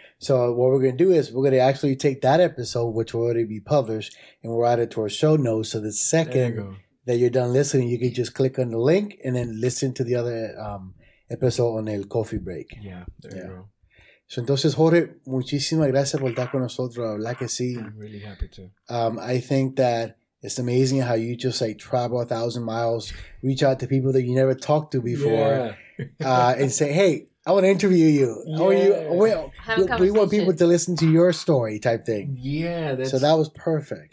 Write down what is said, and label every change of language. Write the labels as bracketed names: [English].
[English] So what we're gonna do is we're gonna actually take that episode, which will already be published, and we'll add it to our show notes. So the second that you're done listening, you can just click on the link and then listen to the other episode on El Coffee Break. Yeah, there you go. [Spanish] So, entonces, Jorge, muchísimas gracias por estar con nosotros. La que sí. [English] I'm really happy to. I think that It's amazing how you just like travel 1,000 miles, reach out to people that you never talked to before, and say, hey, I want to interview you. Do you want people to listen to your story type thing? Yeah. That's, so that was perfect.